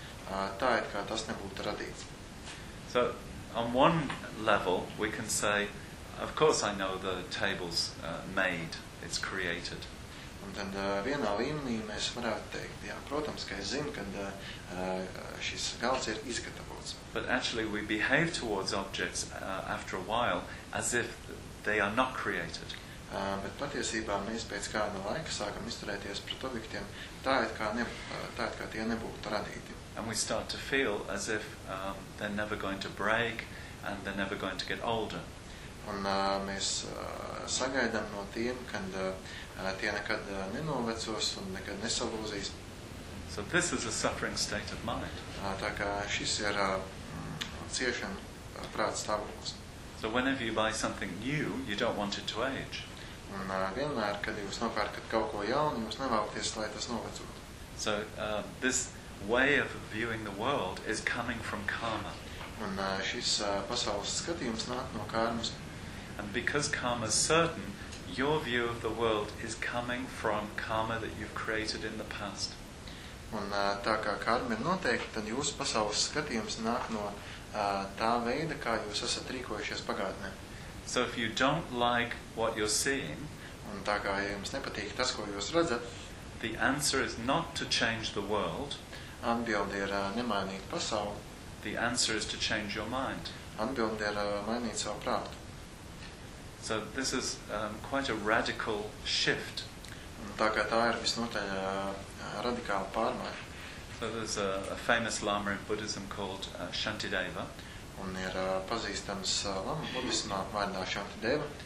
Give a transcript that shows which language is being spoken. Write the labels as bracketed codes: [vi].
[lv] Tā it kā tas nebūtu radīts. [en] So on one level we can say, of course I know the table's made, it's created. [lv] Tad vienā līmenī mēs varētu teikt, jā, protams, ka es zinu, ka šis galds ir izgatavots. [en] But actually we behave towards objects after a while as if they are not created. [lv] Bet patiesībā mēs pēc kāda laika sākam izturēties pret objektiem tā, kā tie nebūtu radīti. [en] And we start to feel as if they're never going to break and they're never going to get older. [lv] Un mēs sagaidām no tiem, kad tie nekad nenovecos un nekad nesalūzīs. [en] So this is a suffering state of mind. [lv] Tā kā šis ir ciešana prāta stāvoklis. [en] So whenever you buy something new, you don't want it to age. [lv] Un vienmēr, kad jūs nopērkat kaut ko jaunu, jūs nevēlaties, lai tas novecot. [en] So this way of viewing the world is coming from karma. [lv] Un šis pasaules skatījums nāk no kārmas. [en] And because karma is certain, your view of the world is coming from karma that you've created in the past. [lv] Un tā kā karma ir noteikta, tad jūsu pasaules skatījums nāk no tā veida, kā jūs esat rīkojušies pagātnē. [en] So if you don't like what you're seeing, [lv] un tā kā jums nepatīk tas, ko jūs redzat, [en] the answer is not to change the world. [lv] Atbilde ir nemainīt pasauli. [en] The answer is to change your mind. [lv] Atbilde ir mainīt savu prātu. [en] So this is quite a radical shift. [lv] Tā kā tā ir visnotaļ radikāla pārmaiņa. [en] So there's a famous lama in Buddhism called Shantideva. [lv] Un ir pazīstams lama budismā vārdā Shantideva.